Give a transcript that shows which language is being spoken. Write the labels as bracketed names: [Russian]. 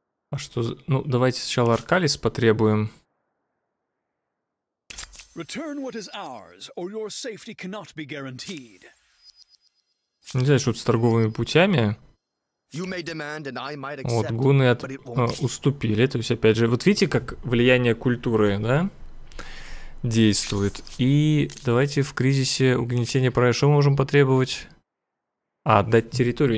[Russian] А что за... Ну, давайте сначала Аркалис потребуем. [English] Return what is ours, or your safety cannot be guaranteed. [Russian] Нельзя что-то с торговыми путями. [English] Demand, accept, [Russian] вот, гуны от... уступили. То есть, опять же, вот видите, как влияние культуры, да, действует. И давайте в кризисе угнетения права, что мы можем потребовать? А, отдать территорию?